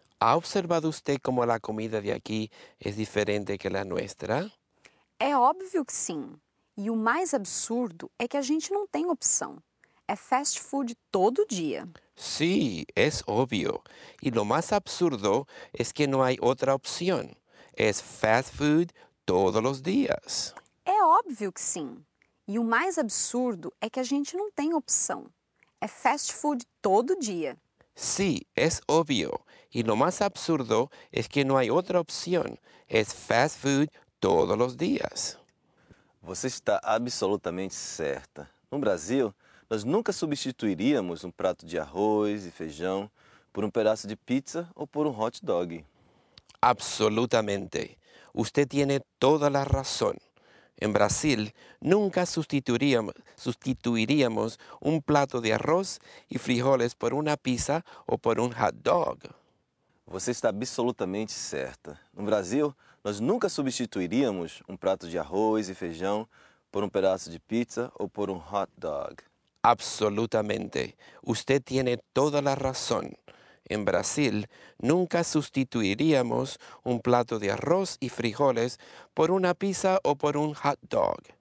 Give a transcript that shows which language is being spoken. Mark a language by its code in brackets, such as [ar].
[es] Ha observado usted como la comida de aquí es diferente que la nuestra? [pt] É óbvio que sim. E o mais absurdo é que a gente não tem opção. É fast food todo dia. [es] Sim, es obvio. E lo más absurdo es que no hay otra opción. Es fast food todos los días. [pt] É óbvio que sim. E o mais absurdo é que a gente não tem opção. É fast food todo dia. [es] Sim, es obvio. E lo más absurdo es que no hay otra opción. Es fast food todos los días. [pt] Você está absolutamente certa. No Brasil, nós nunca substituiríamos um prato de arroz e feijão por um pedaço de pizza ou por um hot dog. [es] Absolutamente. Usted tiene toda la razón. En Brasil, nunca sustituiríamos un plato de arroz y frijoles por una pizza o por un hot dog. [pt] Você está absolutamente certa. No Brasil, nós nunca substituiríamos um prato de arroz e feijão por um pedaço de pizza ou por um hot dog. [es] Absolutamente. Usted tiene toda la razón. En Brasil, nunca sustituiríamos un plato de arroz y frijoles por una pizza o por un hot dog.